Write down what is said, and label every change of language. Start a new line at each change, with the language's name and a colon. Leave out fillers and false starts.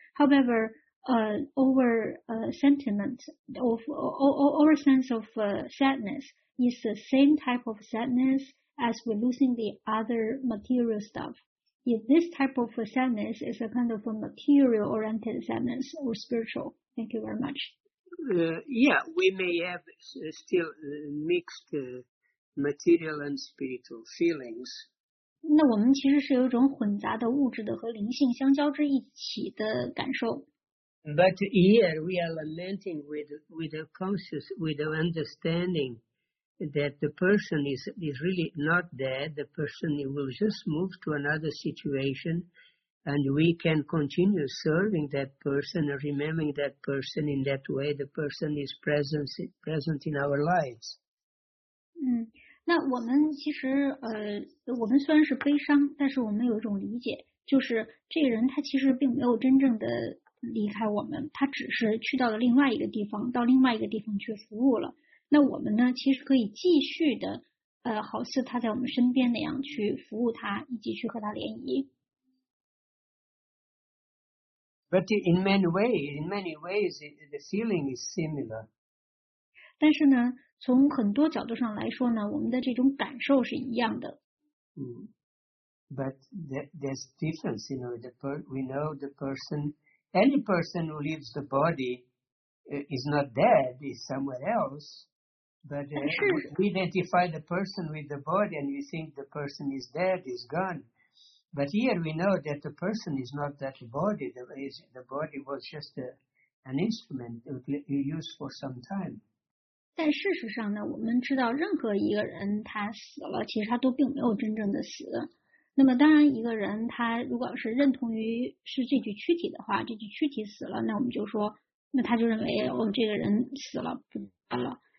English: However, our sense of sadness is the same type of sadness as we're losing the other material stuff. If this type of sadness is a kind of a material-oriented sadness or spiritual, thank you very much. We may have still mixed material and spiritual feelings.
Chinese: 那我们其实是有一种混杂的物质的和灵性相交之一起的感受。
English: But here we are lamenting with a conscious, with an understanding that the person is really not dead. The person will just move to another situation, and we can continue serving that person, remembering that person in that way. The person is present in our lives.
Chinese: 那我们其实我们虽然是悲伤，但是我们有一种理解，就是这个人他其实并没有真正的离开我们，他只是去到了另外一个地方，到另外一个地方去服务了。那我们呢，其实可以继续的，好似他在我们身边那样去服务他，以及去和他联谊。
English: But in many ways, the feeling is similar.
Chinese: 但是呢，从很多角度上来说呢，我们的这种感受是一样的。
English: But there's difference, you know. We know the person. Any person who leaves the body is not dead, is somewhere else. But we identify the person with the body and we think the person is dead, is gone. But here we know that the person is not that body. The body was just an instrument used for some time.
Chinese: 但事实上呢，我们知道任何一个人他死了，其实他都并没有真正的死。那么当然一个人他如果是认同于是这具躯体的话，这具躯体死了，那我们就说那他就认为哦，这个人死了不死了。